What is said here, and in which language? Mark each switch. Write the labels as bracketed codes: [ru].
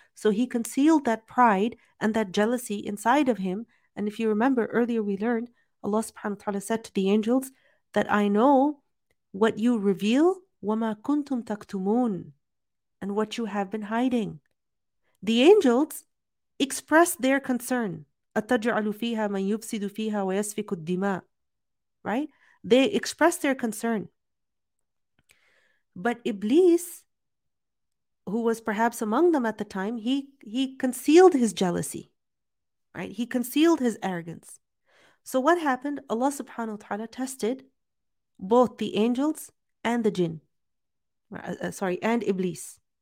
[en] So he concealed that pride and that jealousy inside of him. And if you remember earlier, we learned Allah subhanahu wa ta'ala said to the angels that I know what you reveal, [ar] وَمَا كُنْتُمْ تَكْتُمُونَ, [en] and what you have been hiding. The angels expressed their concern. [ar] أَتَجْعَلُ فِيهَا مَنْ يُفْسِدُ فِيهَا وَيَسْفِكُ الدِّمَاءِ, right? [en] They expressed their concern. But Iblis, who was perhaps among them at the time, he concealed his jealousy, right? He concealed his arrogance. So what happened? Allah subhanahu wa ta'ala tested both the angels and the jinn, and Iblis.